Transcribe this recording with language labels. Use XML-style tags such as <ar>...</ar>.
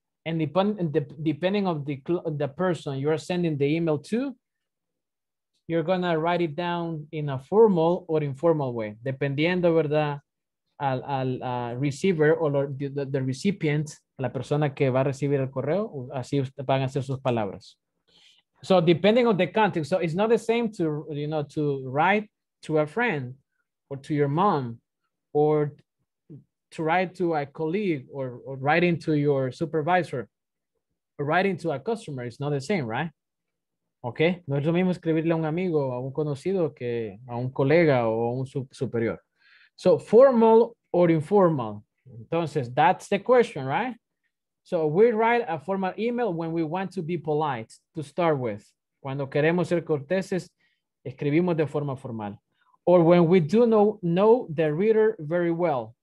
<en>And depending on the person you are sending the email to, you're going to write it down in a formal or informal way, dependiendo, ¿verdad?, al receiver o the recipient, la persona que va a recibir el correo, así van a ser sus palabras. So depending on the context, so it's not the same to, you know, to write to a friend or to your mom or to write to a colleague or writing to your supervisor or writing to a customer. It's not the same, right?</en> <es>Okay, no es lo mismo escribirle a un amigo, a un conocido, que a un colega o a un superior.</es> <en>So, formal or informal. Entonces, that's the question, right? So, we write a formal email when we want to be polite, to start with.</en> <es>Cuando queremos ser corteses, escribimos de forma formal.</es> <en>Or when we do know the reader very well.</en>